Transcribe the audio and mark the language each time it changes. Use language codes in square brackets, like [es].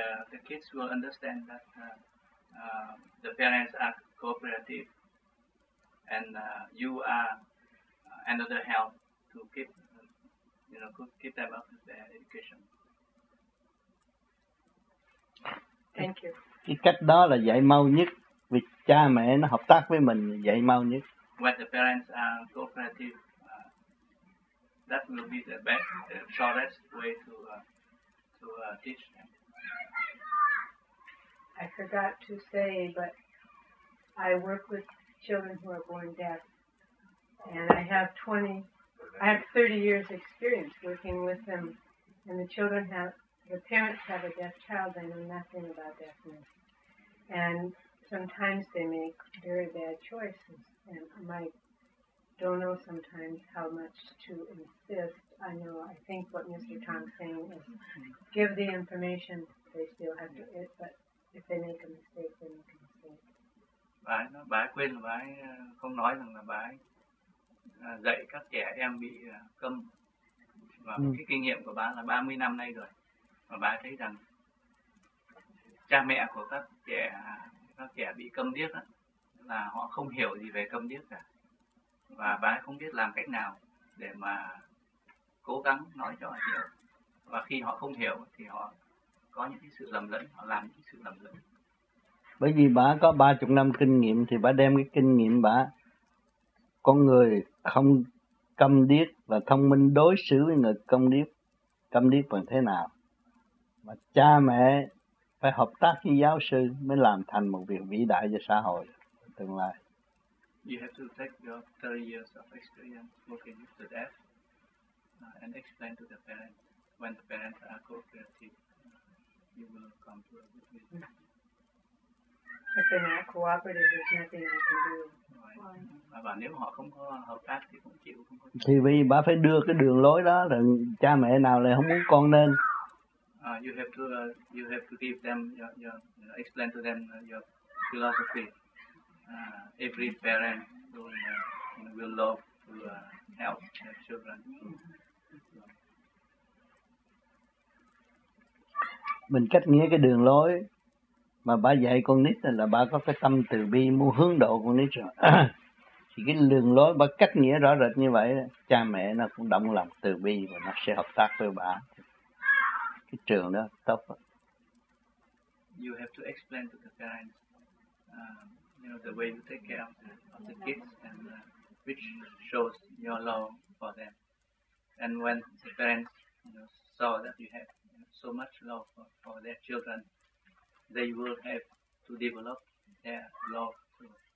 [en] The kids will understand that the parents are cooperative and you are another help to keep, you know, keep them up with their education. Thank you. [vi] Cái cách đó là dạy mau nhất, vì cha mẹ nó hợp tác với mình dạy mau nhất. [en] When the parents are cooperative, that will be the best, the shortest way to teach them. I forgot to say, but I work with children who are born deaf, and I have 30 years experience working with them, and the parents have a deaf child, they know nothing about deafness, and sometimes they make very bad choices, and I might don't know sometimes how much to insist. I know, I think what Mr. Tom's saying is give the information, they still have to it, but if they make a mistake, they make a mistake. [vi] Bà ấy quên, bà ấy không nói rằng là bà ấy dạy các trẻ em bị câm. Và cái kinh nghiệm của bà là 30 năm nay rồi. Và bà ấy thấy rằng cha mẹ của các trẻ bị câm điếc đó, là họ không hiểu gì về câm điếc cả. Và bà ấy không biết làm cách nào để mà cố gắng nói cho họ hiểu. Và khi họ không hiểu thì họ có những cái sự lầm lẫn, họ làm những sự lầm lẫn. Bởi vì bà có 30 năm kinh nghiệm thì bà đem cái kinh nghiệm bà con người không câm điếc và thông minh đối xử với người câm điếc bằng thế nào. Mà cha mẹ phải hợp tác với giáo sư mới làm thành một việc vĩ đại cho xã hội tương lai. [en] You have to take your 30 years of experience working with the deaf and explain to the parents. When the parents are cooperative, you will come to a good way. If they're not cooperative, there's nothing I can do. [vi] Bà nếu họ không có hợp tác thì cũng chịu, không có. Thì vì bà phải đưa cái đường lối đó, là cha mẹ nào lại không muốn con nên. [en] You have to give them your explain to them your philosophy. Every parent will love to help their children. [vi] Mình cách nghĩa cái đường lối mà bà dạy con nít là bà có cái tâm từ bi muốn hướng độ con nít rồi. Thì cái đường lối bà cách nghĩa rõ rệt như vậy, cha mẹ nó cũng động lòng từ bi và nó sẽ hợp tác với bà. Cái trường đó tốt. [en] You have to explain to the parents the way you take care of the kids and which shows your love for them. And when the parents saw that you have so much love for their children, they will have to develop their love too.